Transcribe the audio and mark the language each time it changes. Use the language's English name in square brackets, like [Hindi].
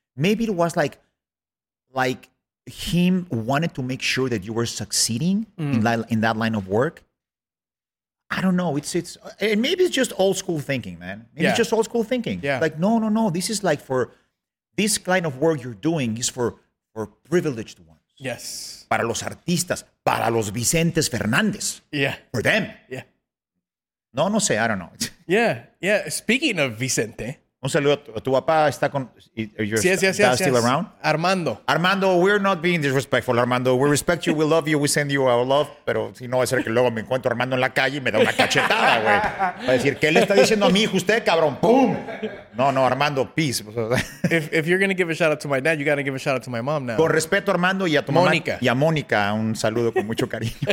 [English] Maybe it was like him wanted to make sure that you were succeeding in that line of work. I don't know. And maybe it's just old school thinking, man. It's just old school thinking. Yeah. Like, no. This is like for this kind of work you're doing is for privileged ones. Yes. [Spanish] Para los artistas, para los Vicentes Fernández. [English] Yeah. For them. Yeah. [Spanish] No sé. [English] I don't know. Yeah. Speaking of Vicente. [Spanish] Un saludo. Tu papá está con. [English] Yes. Still around? Armando. Armando, we're not being disrespectful, Armando. We respect you. We love you. We send you our love. [Spanish] Pero si no, es que luego me encuentro Armando en la calle y me da una cachetada, güey. Va a decir, ¿qué le está diciendo a mi hijo usted, cabrón? ¡Pum! No, Armando, [English] peace. If you're going to give a shout out to my dad, you got to give a shout out to my mom now. [Spanish] Con respeto, Armando, y a tu Mónica. Mamá. Y a Mónica, un saludo con mucho cariño.